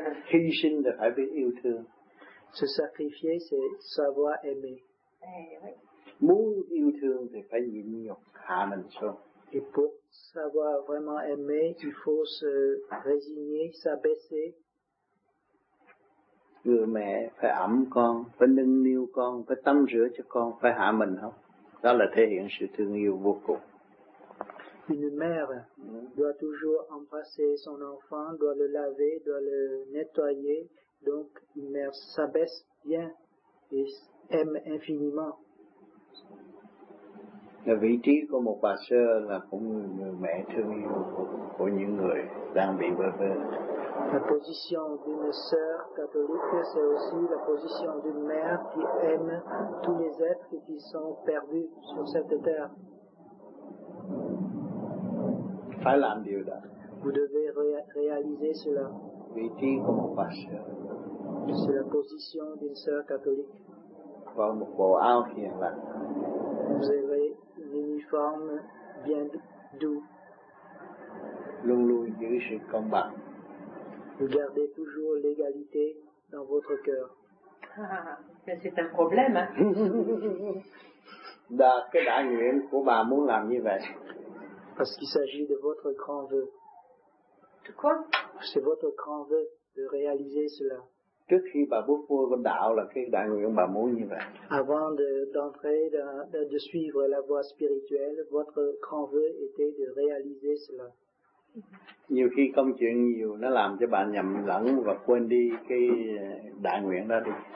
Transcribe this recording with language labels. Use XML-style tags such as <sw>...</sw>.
<vi>Hy sinh là phải biết yêu thương.</vi> <fr>Se sacrifier, c'est savoir aimer.</fr> <vi>Muốn yêu thương thì phải nhịn nhục, hạ mình xuống.</vi> <fr>Et pour savoir vraiment aimer, il faut se résigner, s'abaisser.</fr> <vi>Người mẹ phải ẵm con, phải nâng niu con, phải tắm rửa cho con, phải hạ mình không? Đó là thể hiện sự thương yêu vô cùng.</vi> <fr>Une mère doit toujours embrasser son enfant, doit le laver, doit le nettoyer. Donc, une mère s'abaisse bien et aime infiniment.</fr> <vi>Là vị trí của một bà sơ là cũng người mẹ thương yêu của những người đang bị bơ vơ.</vi> <fr>La position d'une sœur catholique, c'est aussi la position d'une mère qui aime tous les êtres qui sont perdus sur cette terre.</fr> <vi>Phải làm điều đó.</vi> <fr>Vous devez réaliser cela.</fr> <vi>Vị trí của một bà sơ.</vi> <fr>C'est la position d'une sœur catholique.</fr> <vi>Vào một bộ áo hiền lành.</vi> <fr>Vous avez l'uniforme bien doux.</fr> <vi>Luôn luôn giữ sự công bằng.</vi> <fr>Vous gardez toujours l'égalité dans votre cœur. Ah, mais c'est un problème.</fr> <vi>Là, cái đại nguyện của bà muốn làm như vậy.</vi> <fr>Parce qu'il s'agit de votre grand vœu. De quoi? C'est votre grand vœu de réaliser cela.</fr> <vi>Trước khi bà bước vô con đạo là cái đại nguyện bà muốn như vậy.</vi> <fr>Avant d'entrer, de suivre la voie spirituelle, votre grand vœu était de réaliser cela.</fr> <vi>Nhiều khi công chuyện nhiều nó làm cho bạn nhầm lẫn và quên đi cái đại nguyện đó đi.</vi>